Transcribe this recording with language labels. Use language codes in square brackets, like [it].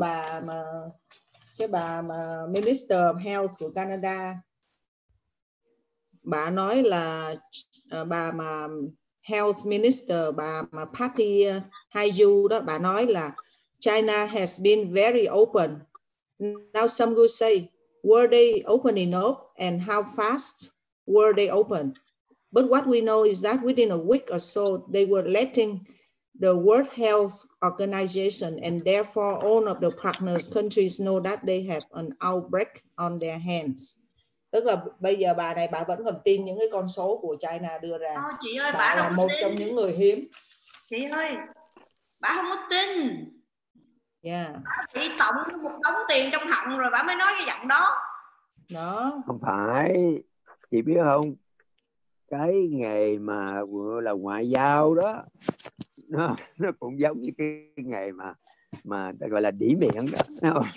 [vi] bà mà cái bà mà Minister of Health của Canada, bà nói là bà mà Health Minister, bà mà Patty Hajdu đó, bà nói là [en] China has been very open. Now some will say, were they open enough and how fast were they open? But what we know is that within a week or so, they were letting the World Health Organization and therefore all of the partners countries know that they have an outbreak on their hands. [vi] Tức là bây giờ bà này bà vẫn còn tin những cái con số của China đưa ra. Chị ơi, Bà là một trong những người hiếm. chị ơi, bà không có tin, bà bị tổng một đống tiền trong họng rồi bà mới nói cái giọng đó. Đó. Không phải, chị biết không, cái nghề mà gọi là ngoại giao đó nó cũng giống như cái nghề mà ta gọi là đĩ miệng đó.